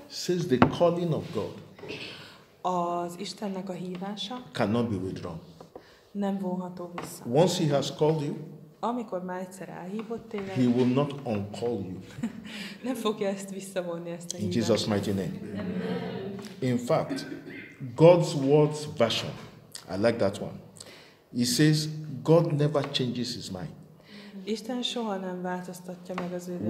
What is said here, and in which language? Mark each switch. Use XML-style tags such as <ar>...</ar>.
<en>Says the calling of God.</en> <hu>Az Istennek a hívása.</hu> <en>Cannot be withdrawn.</en> <hu>Nem vonható vissza.</hu> <en>Once He has called you.</en> <hu>Amikor már egyszer elhívott téged.</hu> <en>He will not uncall you.</en> <hu>Nem fogja ezt visszavonni ezt a hívást.</hu> <en>In Jesus' mighty name. In fact, God's words version. I like that one. He says, God never changes his mind.</en> <hu>Isten soha nem változtatja meg az ő döntését.</hu>